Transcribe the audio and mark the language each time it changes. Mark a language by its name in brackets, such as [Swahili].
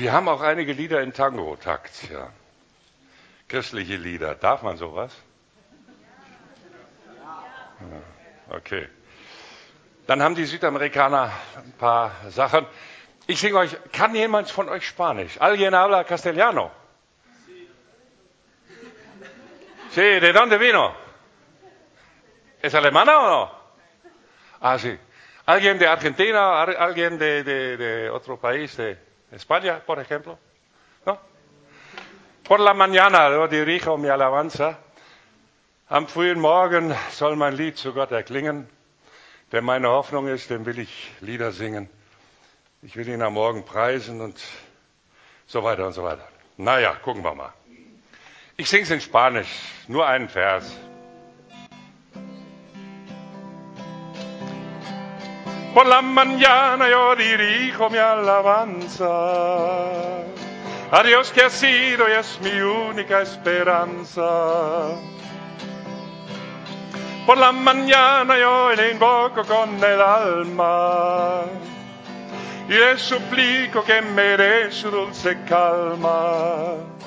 [German] Wir haben auch einige Lieder in Tango-Takt, ja. Christliche Lieder, darf man sowas? Ja. Okay. Dann haben die Südamerikaner ein paar Sachen. Ich singe euch, kann jemand von euch Spanisch? [Spanish] Alguien habla castellano? Sí. Sí, de dónde vino? ¿Es alemana o no? Ah, sí. ¿Alguien de Argentina? ¿Alguien de otro país? ¿De España, por ejemplo? ¿No? Por la mañana yo dirijo mi alabanza. [German] Am frühen Morgen soll mein Lied zu Gott erklingen, der meine Hoffnung ist, dem will ich Lieder singen. Ich will ihn am Morgen preisen und so weiter und so weiter. Naja, gucken wir mal. Ich sing's in Spanisch, nur einen Vers. [Spanish] Por la mañana yo dirijo mi alabanza a Dios que ha sido y es mi única esperanza. Por la mañana yo le invoco con el alma y le suplico que me dé su dulce calma.